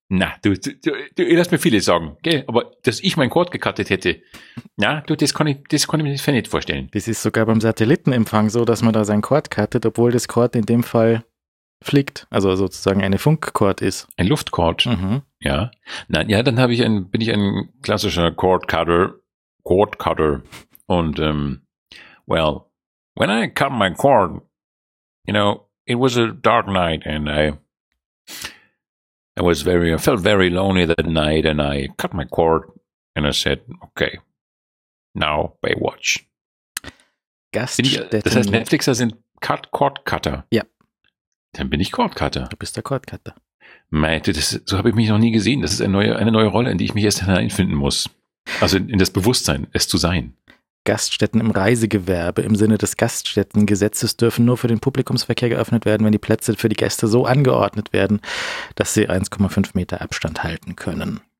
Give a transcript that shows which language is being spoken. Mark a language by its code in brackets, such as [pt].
[de] Na, du lässt mir viele Sorgen, gell? Aber dass ich mein Cord gecuttet hätte, na, du, das konnte ich mir nicht vorstellen. Das ist sogar beim Satellitenempfang so, dass man da sein Cord cuttet, obwohl das Cord in dem Fall fliegt, also sozusagen eine Funkcord ist. Ein Luftcord, ja. Nein, ja, dann bin ich ein klassischer Cord Cutter. [en] Und, well, when I cut my cord, you know, it was a dark night and I felt very lonely that night and I cut my cord and I said, okay, now Baywatch. [de] Gaststätten. Das heißt, Netflixer sind Cord Cutter. Ja. Dann bin ich Cord Cutter. Du bist der Cord Cutter. Meinte, so habe ich mich noch nie gesehen. Das ist eine neue Rolle, in die ich mich erst hineinfinden muss. Also in das Bewusstsein, es zu sein. Gaststätten im Reisegewerbe im Sinne des Gaststättengesetzes dürfen nur für den Publikumsverkehr geöffnet werden, wenn die Plätze für die Gäste so angeordnet werden, dass sie 1,5 Meter Abstand halten können.